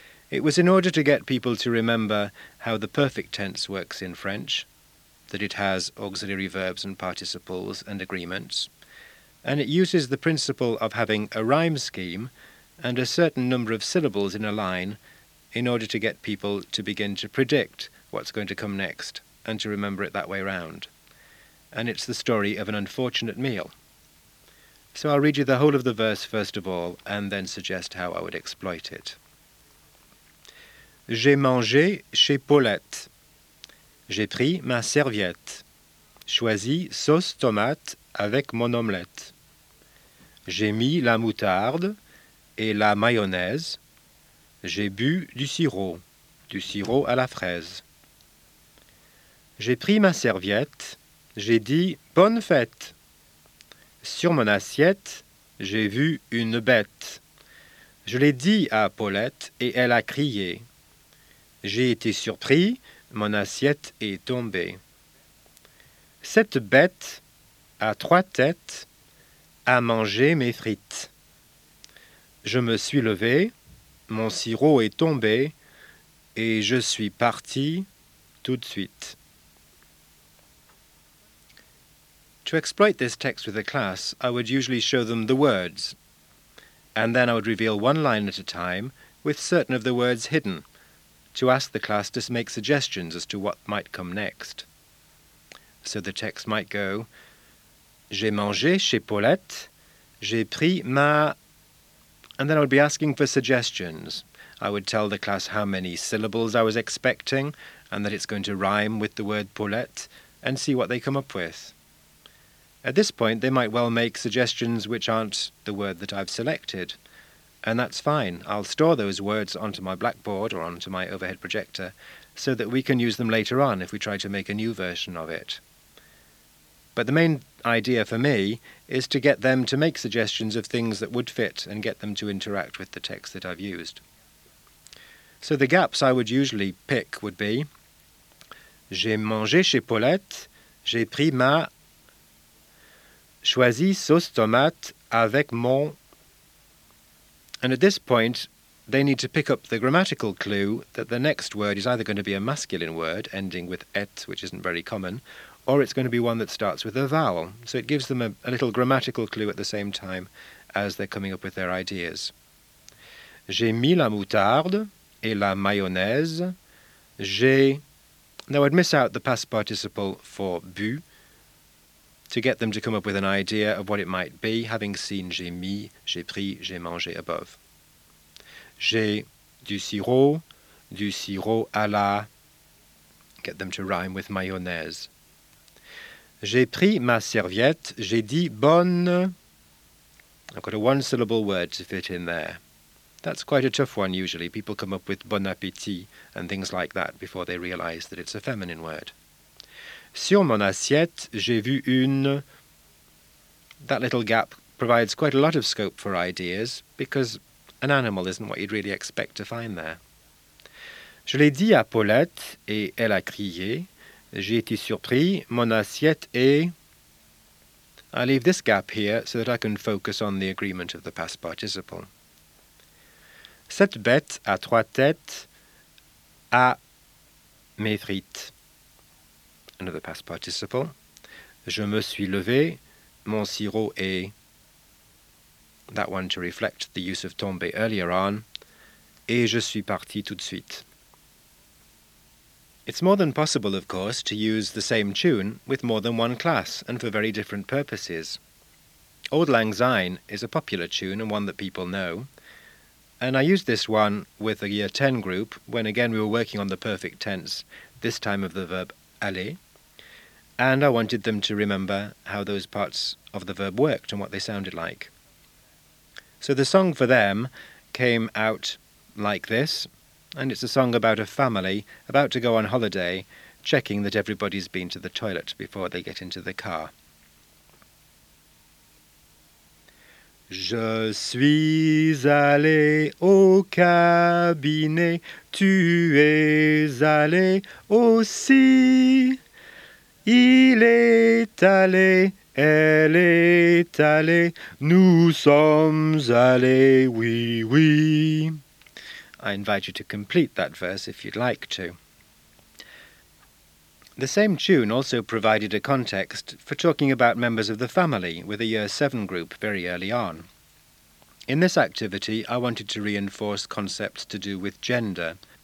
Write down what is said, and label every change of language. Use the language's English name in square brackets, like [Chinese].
[English] It was in order to get people to remember how the perfect tense works in French, that it has auxiliary verbs and participles and agreements, and it uses the principle of having a rhyme scheme and a certain number of syllables in a line in order to get people to begin to predict what's going to come next and to remember it that way round. And it's the story of an unfortunate meal. So I'll read you the whole of the verse first of all, and then suggest how I would exploit it. [French] J'ai mangé chez Paulette. J'ai pris ma serviette. Choisi sauce tomate avec mon omelette. J'ai mis la moutarde et la mayonnaise. J'ai bu du sirop à la fraise. J'ai pris ma serviette, j'ai dit « Bonne fête !» Sur mon assiette, j'ai vu une bête. Je l'ai dit à Paulette et elle a crié. J'ai été surpris, mon assiette est tombée. Cette bête a trois têtes, a mangé mes frites. Je me suis levé, mon sirop est tombé et je suis parti tout de suite. [English] To exploit this text with the class, I would usually show them the words, and then I would reveal one line at a time with certain of the words hidden, to ask the class to make suggestions as to what might come next. So the text might go, [French] J'ai mangé chez Paulette, j'ai pris ma... [English] And then I would be asking for suggestions. I would tell the class how many syllables I was expecting, and that it's going to rhyme with the word Paulette, and see what they come up with. At this point, they might well make suggestions which aren't the word that I've selected. And that's fine. I'll store those words onto my blackboard or onto my overhead projector so that we can use them later on if we try to make a new version of it. But the main idea for me is to get them to make suggestions of things that would fit and get them to interact with the text that I've used. So the gaps I would usually pick would be [French] J'ai mangé chez Paulette, j'ai pris ma... Choisi sauce tomate avec mon... [English] And at this point, they need to pick up the grammatical clue that the next word is either going to be a masculine word, ending with et, which isn't very common, or it's going to be one that starts with a vowel. So it gives them a little grammatical clue at the same time as they're coming up with their ideas. [French] J'ai mis la moutarde et la mayonnaise. J'ai... [English] Now, I'd miss out the past participle for bu, to get them to come up with an idea of what it might be, having seen [French] j'ai mis, j'ai pris, j'ai mangé [English] above. [French] J'ai du sirop à la, [English] get them to rhyme with mayonnaise. [French] J'ai pris ma serviette, j'ai dit bonne. [English] I've got a one-syllable word to fit in there. That's quite a tough one usually. People come up with bon appétit and things like that before they realise that it's a feminine word. [French] Sur mon assiette, j'ai vu une... [English] That little gap provides quite a lot of scope for ideas, because an animal isn't what you'd really expect to find there. [French] Je l'ai dit à Paulette, et elle a crié. J'ai été surpris, mon assiette est... [English] I leave this gap here so that I can focus on the agreement of the past participle. [French] Cette bête a trois têtes, a mes frites. [English] Another past participle. [French] Je me suis levé, mon sirop est... [English] That one to reflect the use of tomber earlier on. [French] Et je suis parti tout de suite. [English] It's more than possible, of course, to use the same tune with more than one class and for very different purposes. Auld Lang Syne is a popular tune and one that people know. And I used this one with a Year 10 group when, again, we were working on the perfect tense, this time of the verb aller. And I wanted them to remember how those parts of the verb worked and what they sounded like. So the song for them came out like this, and it's a song about a family about to go on holiday, checking that everybody's been to the toilet before they get into the car. [French] Je suis allé au cabinet, tu es allé aussi. Il est allé, elle est allée, nous sommes allés, oui, oui. [English] I invite you to complete that verse if you'd like to. The same tune also provided a context for talking about members of the family with a Year 7 group very early on. In this activity, I wanted to reinforce concepts to do with gender.